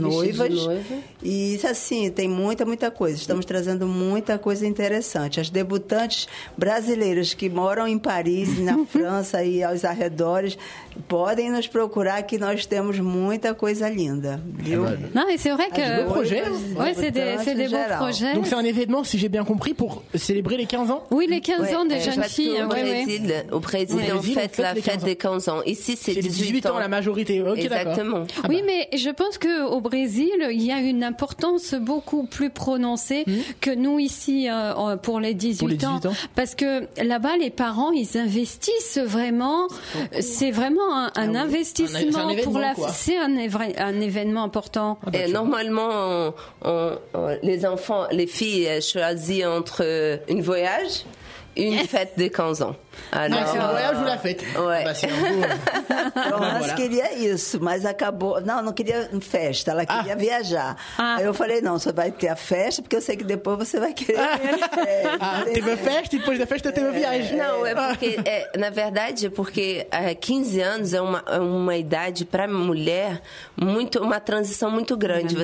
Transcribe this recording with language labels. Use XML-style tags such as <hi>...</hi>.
<pt>noiva. E isso, assim, tem muita, muita coisa. Estamos trazendo muita coisa interessante. As debutantes brasileiras que moram em Paris, na França e aos arredores, podem nos procurar, que nós temos muita coisa linda. Viu? Não, isso é o recado. Que... projeto.</pt> <fr>Oui, c'est des beaux projets. Donc c'est un événement, si j'ai bien compris, pour célébrer les 15 ans. Oui, les 15 ans des jeunes filles. Au Brésil, on fête la fête des 15 ans. Ici, c'est 18 ans la majorité. Okay, exactement. D'accord. Oui, mais je pense qu'au Brésil, il y a une importance beaucoup plus prononcée que nous ici pour les 18 ans. Parce que là-bas, les parents, ils investissent vraiment. C'est vraiment un investissement. C'est un événement important. Et normalement, les enfants, les filles choisissent entre un voyage une fête de 15 ans. Alors, non, c'est le voyage ou la fête? Ouais. Bah, bon, voilà.</fr> <pt>Queria isso, mas acabou. Não, não queria festa, ela queria viajar. Ah. Aí eu falei, não, você vai ter a festa, porque eu sei que depois você vai querer. Teve a festa e depois da festa teve a viagem. Não, é porque, na verdade, é porque 15 anos é uma idade para mulher muito, uma transição muito grande. Uhum.</pt>